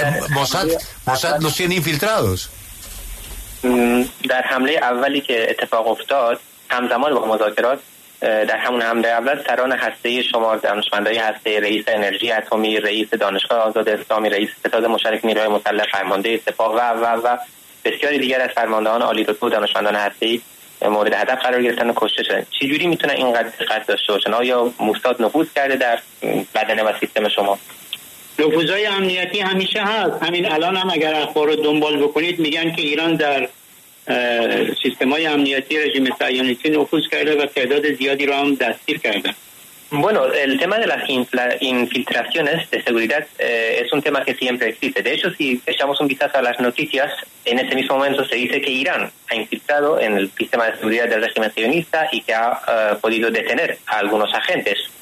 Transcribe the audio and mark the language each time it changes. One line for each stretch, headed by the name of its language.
Spanish: Mossad los tiene infiltrados.
Persian: در حمله اولی که اتفاق افتاد، همزمان با مذاکرات، در همون حمله اول سران هسته‌ای شما، دانشمندان هسته‌ای، رئیس انرژی اتمی، رئیس دانشگاه آزاد اسلامی، رئیس ستاد مشترک نیروهای مسلح، فرمانده سپاه و بسیاری دیگر از فرماندهان عالی رتبه و دانشمندان هسته‌ای مورد هدف قرار گرفتن و کشته شدن. چه جوری میتونه اینقدر دقت داشته باشن؟ آیا موساد نفوذ کرده در بدنه و سیستم شما؟ نفوذهای امنیتی همیشه هست. همین الان هم اگر اخبار رو دنبال بکنید میگن که ایران در سیستم‌های امنیتی رژیم صهیونیستی نفوذ کرده و تعداد زیادی رو هم دستگیر کرده.
Spanish: Bueno, el tema de las infiltraciones de seguridad es un tema que siempre existe. De hecho, si echamos un vistazo a las noticias, en ese mismo momento se dice que Irán ha infiltrado en el sistema de seguridad del régimen sionista y que ha podido detener a algunos agentes.